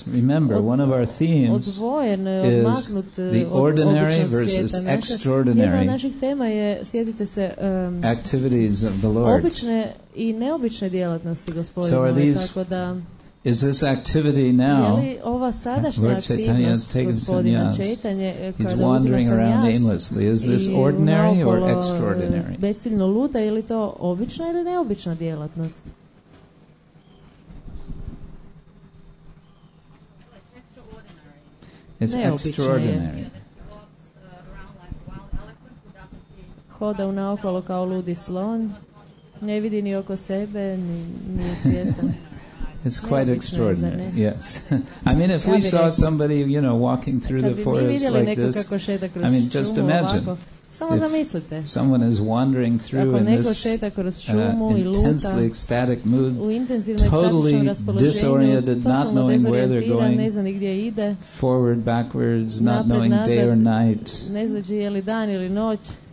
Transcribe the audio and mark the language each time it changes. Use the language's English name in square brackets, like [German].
[English] Remember, one of our themes is the ordinary versus extraordinary activities of the Lord. So are these... Is this activity now, Lord Chaitanya has taken sannyas, he's wandering around aimlessly, is this ordinary or extraordinary? [Croatian] Besiljno luta, je li to obična ili neobična djelatnost? [English] It's extraordinary. [Croatian] Hoda u naokolo kao ludi slon, ne vidi ni oko sebe, nije svjestan. [English] It's quite extraordinary, yes. I mean, if we saw somebody, you know, walking through the forest like this, I mean, just imagine. If someone is wandering through in this intensely ecstatic mood, totally disoriented, not knowing where they're going, forward, backwards, not knowing day or night.